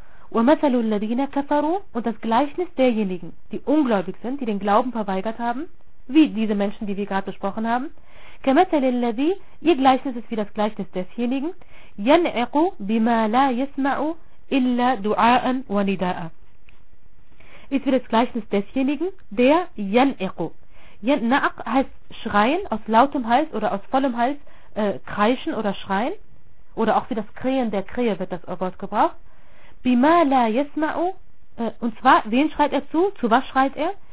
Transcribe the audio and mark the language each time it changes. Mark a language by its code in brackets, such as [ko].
[ar] ومثل الذين كفروا [de] und das Gleichnis derjenigen, die ungläubig sind, die den Glauben verweigert haben, wie diese Menschen, die wir gerade besprochen haben. [ar] كمثل الذي [de] ihr Gleichnis ist wie das Gleichnis desjenigen, [ar] ينعق بما لا يسمع إلا دعاء ونداء. [de] Ist wie das Gleichnis desjenigen, der ينعق. ينعق heißt schreien, aus lautem Hals oder aus vollem Hals kreischen oder schreien. oder auch für das Krähen der Krähe wird das Wort gebraucht. [ar] Bima la yasma'u, [de] und zwar, wen schreit er zu? Zu was schreit er?